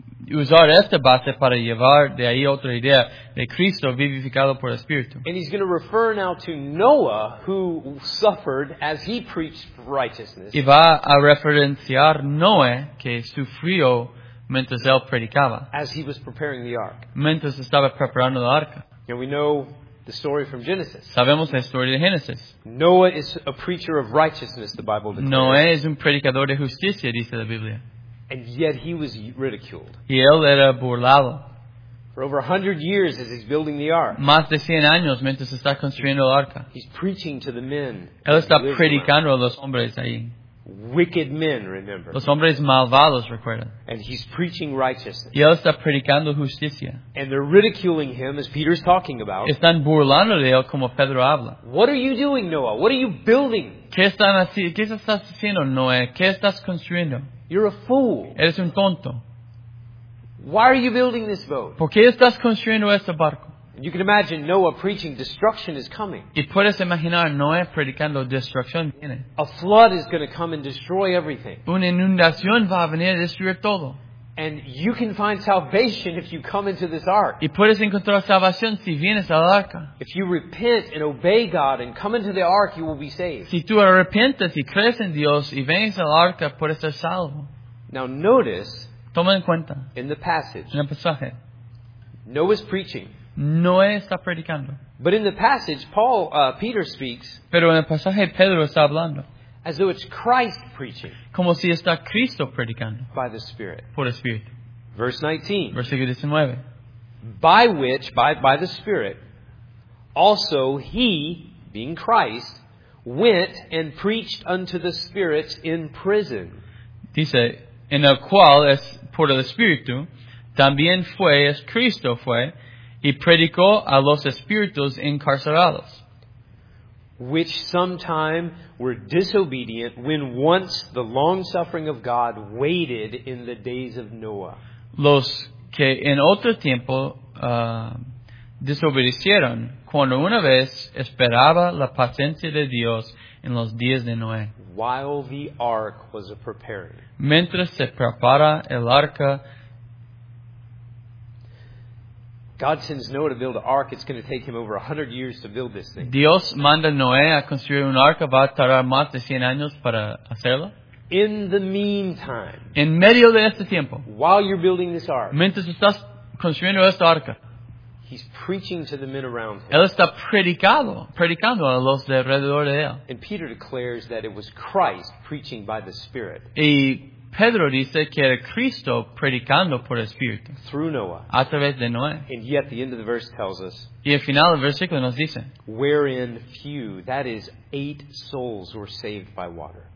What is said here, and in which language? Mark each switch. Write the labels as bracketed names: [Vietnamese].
[Spanish] usar esta base para llevar de ahí otra idea de Cristo vivificado por el Espíritu. [English] And he's going to refer now to Noah, who suffered as he preached righteousness. [Spanish] Y va a referenciar Noé, que sufrió mientras él predicaba. [English] As he was preparing the ark. [Spanish] Mientras estaba preparando la arca. [English] And we know the story from Genesis. [Spanish] Sabemos la historia de Génesis. [English] Noah is a preacher of righteousness, the Bible declares. [Spanish] Noé es un predicador de justicia, dice la Biblia. [English] And yet he was ridiculed. [Spanish] Y él era burlado. [English] For over 100 years as he's building the ark. [Spanish] Más de 100 años mientras está construyendo la arca. [English] He's preaching to the men. [Spanish] Él está predicando a los hombres ahí. [English] Wicked men, remember. [Spanish] Los hombres malvados, recuerden. [English] And he's preaching righteousness. [Spanish] Y él está predicando justicia. [English] And they're ridiculing him, as Peter's talking about. [Spanish] Están burlando de él como Pedro habla. [English] What are you doing, Noah? What are you building? [Spanish] ¿Qué estás haciendo, Noé? ¿Qué estás construyendo? [English] You're a fool. [Spanish] Eres un tonto. [English] Why are you building this boat? [Spanish] ¿Por qué estás construyendo este barco? [English] You can imagine Noah preaching, destruction is coming. [Spanish] Y puedes imaginar Noé predicando, destrucción viene. [English] A flood is going to come and destroy everything. [Spanish] Una inundación va a venir a destruir todo. [English] And you can find salvation if you come into this ark. [Spanish] Y puedes encontrar salvación si vienes al arca. [English] If you repent and obey God and come into the ark, you will be saved. [Spanish] Si tú arrepientes y crees en Dios y vienes al arca, puedes ser salvo. [English] Now notice, [Spanish] toma en cuenta, [English] in the passage, [Spanish] en el pasaje, [English] Noah's preaching. [Spanish] Noé está predicando. [English] But in the passage, Paul, Peter speaks. [Spanish] Pero en el pasaje Pedro está hablando. [English] As though it's Christ preaching. [Spanish] Como si está Cristo predicando. [English] By the Spirit. [Spanish] Por el Espíritu. [English] Verse 19. [Spanish] Versículo 19. [English] By which, by the Spirit, also he, being Christ, went and preached unto the spirits in prison. [Spanish] Dice, en el cual es por el Espíritu, también fue, es Cristo fue, y predicó a los espíritus encarcelados. [English] Which sometime were disobedient when once the long suffering of God waited in the days of Noah. [Spanish] Los que en otro tiempo desobedecieron cuando una vez esperaba la paciencia de Dios en los días de Noé. [English] While the ark was preparing. [Spanish] Mientras se prepara el arca. [English] God sends Noah to build an ark. It's going to take him over 100 years to build this thing. [Spanish] Dios manda a Noé a construir un arca. Va a tardar más de 100 años para hacerlo. [English] In the meantime. [Spanish] En medio de este tiempo. [English] While you're building this ark. [Spanish] Mientras estás construyendo esta arca. [English] He's preaching to the men around him. [Spanish] Él está predicando a los de alrededor de él. [English] And Peter declares that it was Christ preaching by the Spirit. [Spanish] Y Pedro dice que era Cristo predicando por el Espíritu. [English] Through Noah. [Spanish] A través de Noé. [English] And yet the end of the verse tells us. [Spanish] Y al final del versículo nos dice. [English] Wherein few, that is 8 souls, were saved by water.